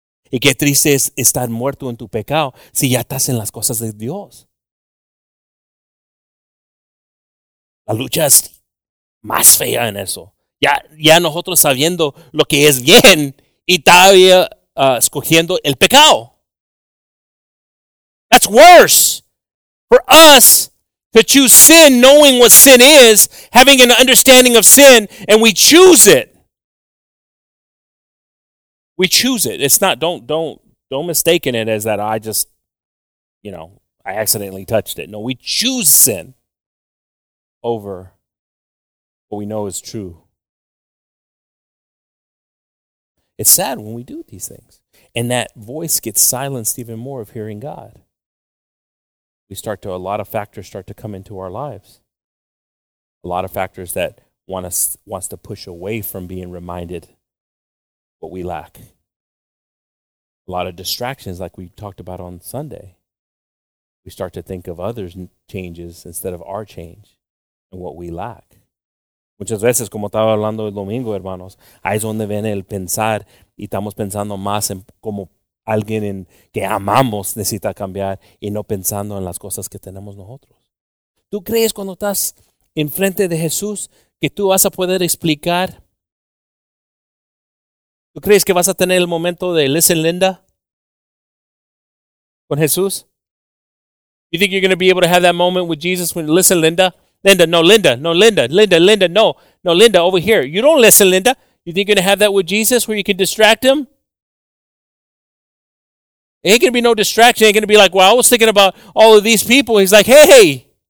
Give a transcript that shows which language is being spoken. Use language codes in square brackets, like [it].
[es] Y qué triste es estar muerto en tu pecado si ya estás en las cosas de Dios. La lucha es más fea en eso. Ya nosotros sabiendo lo que es bien y todavía escogiendo el pecado. [en] That's worse for us to choose sin, knowing what sin is, having an understanding of sin, and we choose it. We choose it. It's not, don't mistake it as that I just, you know, I accidentally touched it. No, we choose sin over what we know is true. It's sad when we do these things. And that voice gets silenced even more of hearing God. A lot of factors start to come into our lives. A lot of factors that wants to push away from being reminded what we lack. A lot of distractions like we talked about on Sunday. We start to think of others' changes instead of our change and what we lack. [es] Muchas veces, como estaba hablando el domingo, hermanos, ahí es donde viene el pensar y estamos pensando más en cómo alguien en que amamos necesita cambiar y no pensando en las cosas que tenemos nosotros. ¿Tú crees cuando estás enfrente de Jesús que tú vas a poder explicar? ¿Tú crees que vas a tener el momento de [en] listen, [es] Linda, con Jesús? [en] You think you're going to be able to have that moment with Jesus when listen, Linda? Linda, no, Linda, no, Linda, Linda, Linda, no, no, Linda, over here. You don't listen, Linda. You think you're going to have that with Jesus where you can distract him? It ain't going to be no distraction. It ain't going to be like, well, I was thinking about all of these people. He's like, hey.